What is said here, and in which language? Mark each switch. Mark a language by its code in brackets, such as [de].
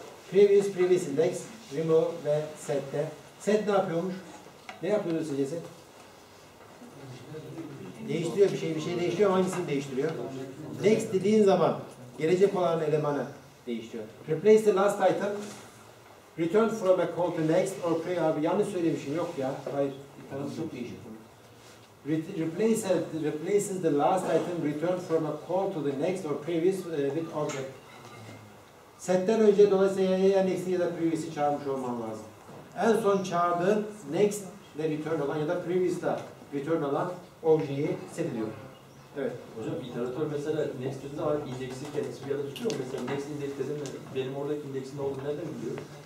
[en] Previous previous index. Remove [tr] ve set'te. Set ne yapıyormuş? Ne yapıyordu sizce set? Değiştiriyor bir şey değiştiriyor. Hangisini değiştiriyor? Next dediğin zaman gelecek olan elemanı değiştiriyor. [en] Replace the last item. Return from a call to next or pay abi. [tr] Yanlış söylemişim yok ya. Hayır. Tamam çok değişik. [en] Replaces the last item returned from a call to the next or previous with object. [tr] Setten önce dolayısıyla ya next'i ya da previous'i çağırmış olman lazım. En son çağırdığın next ile return olan ya da previous ile return olan objeyi set ediyor. Evet. Hocam iteratör mesela next dediğinde var indeksi kendisi bir yada tutuyor mu? Mesela next index dediğinde benim oradaki indeksin olduğunu nereden biliyor?